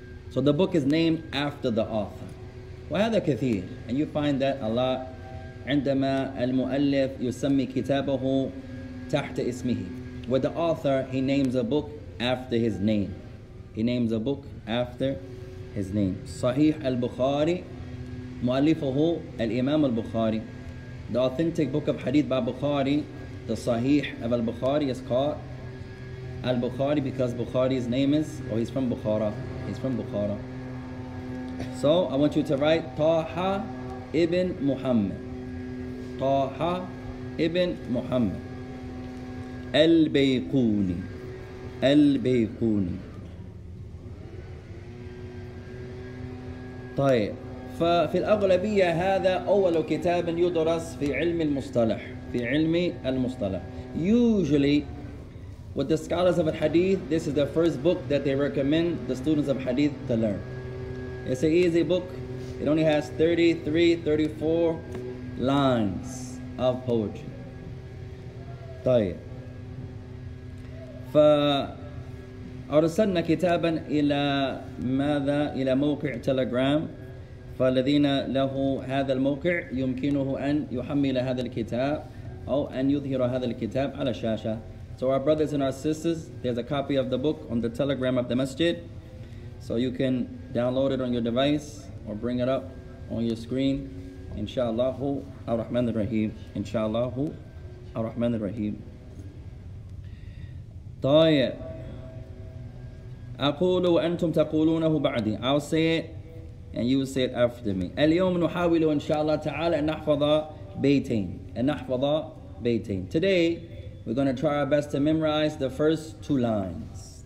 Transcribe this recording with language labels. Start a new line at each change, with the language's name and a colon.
English: So the book is named after the author.
Arabic: وهذا كثير.
English: And you find that a lot.
Arabic: عندما المؤلف يسمي كتابه تحت اسمه.
English: With the author, he names a book after his name. He names a book after his name.
Arabic: صحيح البخاري مؤلفه الإمام البخاري.
English: The authentic book of hadith by Bukhari, the Sahih of al-Bukhari, is called Al-Bukhari because Bukhari's name is, or he's from Bukhara. He's from Bukhara. So I want you to write Taha ibn Muhammad. Taha ibn Muhammad. Al-Bayquni. Al-Bayquni.
Arabic: طيب ففي الأغلبية هذا أول كتاب يدرس في علم المصطلح في علم المصطلح.
English: Usually, with the scholars of Hadith, this is the first book that they recommend the students of Hadith to learn. It's an easy book. It only has 33, 34 lines of poetry.
Arabic: طيب فأرسلنا كتابا إلى ماذا إلى موقع تيليجرام. فالذين له هذا الموقع يمكنه أن يحمل هذا الكتاب أو أن يظهر هذا الكتاب على الشاشة.
English: So our brothers and our sisters, there's a copy of the book on the telegram of the masjid. So you can download it on your device or bring it up on your screen.
Arabic: Inshallahu ar-Rahman ar-Rahim. Inshallahu ar-Rahman ar-Rahim. طيب. أقول وأنتم تقولونه بعدي.
English: I'll say it. And you say it after me.
Arabic: اليوم نحاول إن شاء الله تعالى أن نحفظ بيتين. أن نحفظ بيتين.
English: Today, we're going to try our best to memorize the first two lines.